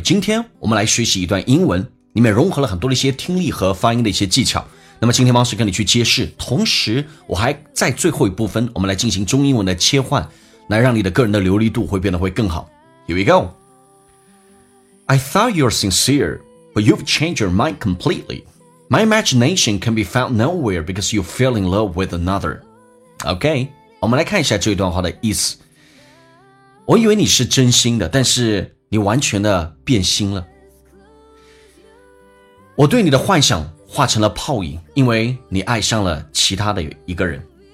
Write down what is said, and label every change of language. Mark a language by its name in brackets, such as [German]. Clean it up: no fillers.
[Chinese] 今天我们来学习一段英文，里面融合了很多的一些听力和发音的一些技巧。那么今天 Monster 跟你去揭示，同时我还在最后一部分，我们来进行中英文的切换，来让你的个人的流利度会变得会更好。 [English] Here we go. I thought you're sincere, but you've changed your mind completely. My imagination can be found nowhere because you fell in love with another. [Chinese] OK, 我们来看一下这一段话的意思。我以为你是真心的，但是你完全的变心了。我对你的幻想化成了泡影，因为你爱上了其他的一个人。